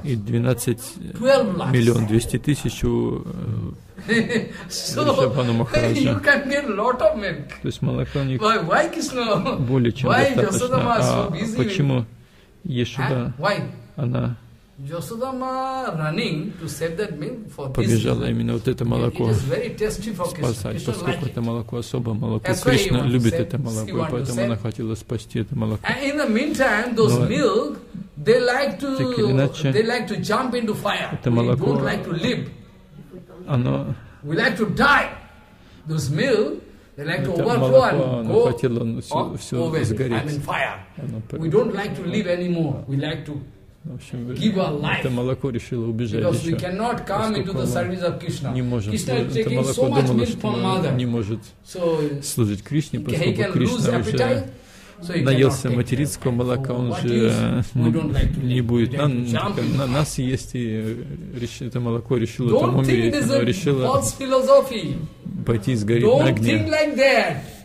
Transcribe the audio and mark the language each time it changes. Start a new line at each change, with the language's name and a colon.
Russian: и 12 миллион 200 тысяч у Вришабану Махараджа. То есть молоко у них более чем достаточно. А почему Яшода? Она
English: Yashodama running to save that milk for this.
Russian: Побежала именно вот это молоко спасать, поскольку это молоко особое молоко. Кришна любит это молоко, и поэтому она хотела спасти это молоко.
English: And in the meantime, those milk, they like to, jump into fire.
Russian: Это молоко,
English: we don't like to live.
Russian: Оно,
English: we like to die. Those milk.
Russian: Это молоко, оно хотело все сгореть.
English: We don't like to live anymore. We like to give our life.
Russian: Это молоко решило убежать.
English: Because we cannot come into the service of Krishna.
Russian: Не может. Это молоко думало, что не может служить Кришне, поскольку Кришна уже наелся материнского молока, он же не будет нас есть, и это молоко решило там умереть, оно решило пойти сгореть на огне.